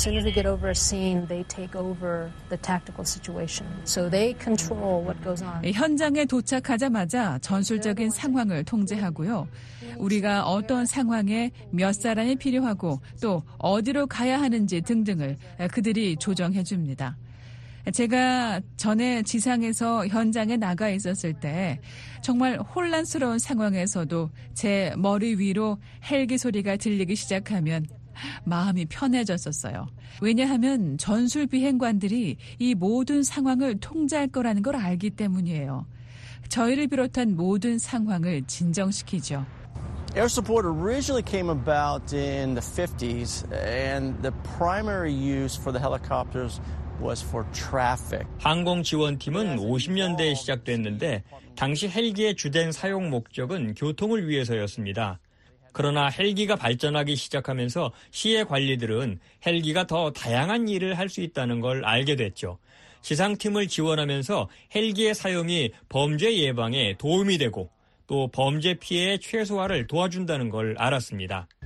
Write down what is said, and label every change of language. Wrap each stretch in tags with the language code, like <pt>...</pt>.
<en>soon as they get over a scene, they take over the tactical situation. So they control what goes on.</en> <ko>현장에 도착하자마자 전술적인 상황을 통제하고요. 우리가 어떤 상황에 몇 사람이 필요하고 또 어디로 가야 하는지 등등을 그들이 조정해 줍니다. 제가 전에 지상에서 현장에 나가 있었을 때 정말 혼란스러운 상황에서도 제 머리 위로 헬기 소리가 들리기 시작하면 마음이 편해졌었어요. 왜냐하면 전술 비행관들이 이 모든 상황을 통제할 거라는 걸 알기 때문이에요. 저희를 비롯한 모든 상황을 진정시키죠.</ko> <en>Air support originally came about in the 50s and the primary use for the helicopters was for traffic.</en> <ko>항공 지원팀은 50년대에 시작됐는데 당시 헬기의 주된 사용 목적은 교통을 위해서였습니다. 그러나 헬기가 발전하기 시작하면서 시의 관리들은 헬기가 더 다양한 일을 할 수 있다는 걸 알게 됐죠. 지상팀을 지원하면서 헬기의 사용이 범죄 예방에 도움이 되고 또 범죄 피해 최소화를 도와준다는 걸 알았습니다.</ko>